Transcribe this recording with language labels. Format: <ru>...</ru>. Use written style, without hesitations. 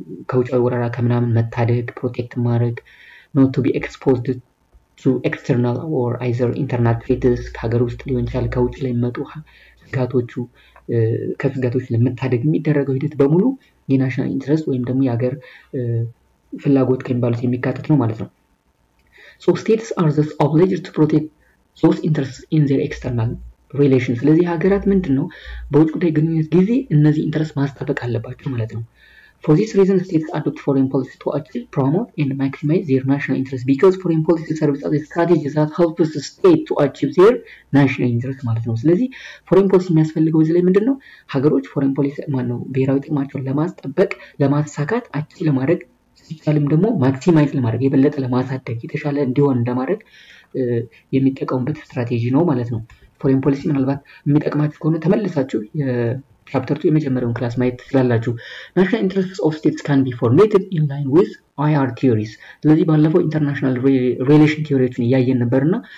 <am>ከውጫዊ ወረራ ከምናምን መታደግ፣ ፕሮቴክት ማድረግ</am> <en>not to be exposed to external or either internal threats</en> <am>ከሀገር ውስጥ ሊሆን ይችላል ከውጭ ለሚመጡ ስጋቶቹ ከስጋቶች ለምታደግ የሚደረገው ሂደት በሙሉ የናሽናል ኢንትረስት ወይም ደግሞ የሀገር ፍላጎት ከሚባሉት የሚካተት ነው ማለት ነው።</am> <en>so states are thus obliged to protect those interests in their external relations.</en> <am>ስለዚህ ሀገራት ምንድነው በውጭ ጉዳይ ግንኙነት ጊዜ እነዚህ ኢንትረስት ማስጠበቅ አለባቸው ማለት ነው።</am> <en>For this reason, states adopt foreign policy to actually promote and maximize their national interests because foreign policy serves as a strategy that helps the state to achieve their national interests.</en> <am>ማለት ነው። ስለዚህ foreign policy የሚያስፈልገው እዚህ ላይ ምንድን ነው? ሀገሮች foreign policy ማነው ብሔራዊ ጥቅማቸውን ለማስጠበቅ ለማሳካት አችል ለማድረግ ሲቻልም ደግሞ ማክሲማይዝ ለማድረግ የበለጠ ለማሳደግ የተሻለ እንዲሆን ለማድረግ የሚጠቀሙበት ስትራቴጂ ነው ማለት ነው። foreign policy ምናልባት የሚጠቅማችሁ ከሆነ ተመልሳችሁ ቻፕተር 2 የመጀመሪያውን ክላስ ማየት ትችላላችሁ።</am> <en>ናሽናል ኢንትረስትስ ኦፍ ስቴትስ ካን ቢ ፎርሜትድ ኢን ላይን ዊዝ IR ቲዮሪስ።</en> <am>ስለዚህ ባለፈው ኢንተርናሽናል ሪሌሽን ቲዮሪዎችን እያየን ነበርና</am>